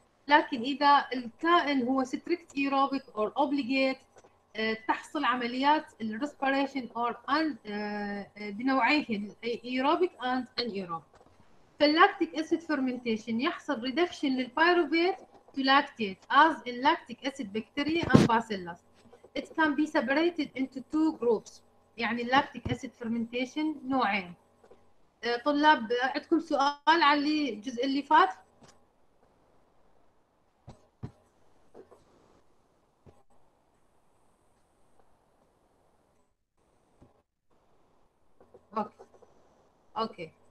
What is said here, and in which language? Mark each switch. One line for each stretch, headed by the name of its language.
Arabic: لكن اذا الكائن هو
English: strict aerobic or obligate
Arabic: تحصل عمليات الريسبيريشن اور ان بنوعين
English: Aerobic and anaerobic.
Arabic: فاللاكتيك اسيد فرمنتيشن يحصل ريدكشن للبايروفيت
English: to lactate as in lactic acid bacteria and bacillus. It can be separated into two groups.
Arabic: يعني اللاكتيك اسيد فرمنتيشن نوعين. طلاب عندكم سؤال على الجزء اللي فات؟ اوكي.